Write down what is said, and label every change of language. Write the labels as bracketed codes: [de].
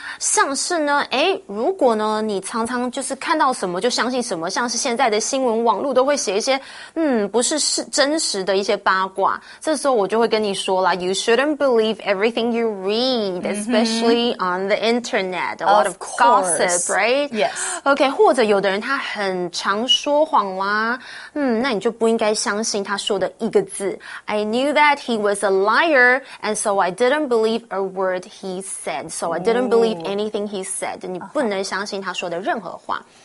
[zh] 像是呢如果呢你常常就是看到什么就相信什么，像是现在的新闻网络都会写一些不是真实的一些八卦。这时候我就会跟你说啦 [en] you shouldn't believe everything you read, especially on the internet. A lot of gossip, right? Yes. [zh] OK, 或者有的人他很常说谎啦那你就不应该相信他说的一个字。 [en] I knew that he was a liar, and so I didn't believe a word. He said, so I didn't believe anything he said. [zh] 你不能相信他说的任何话。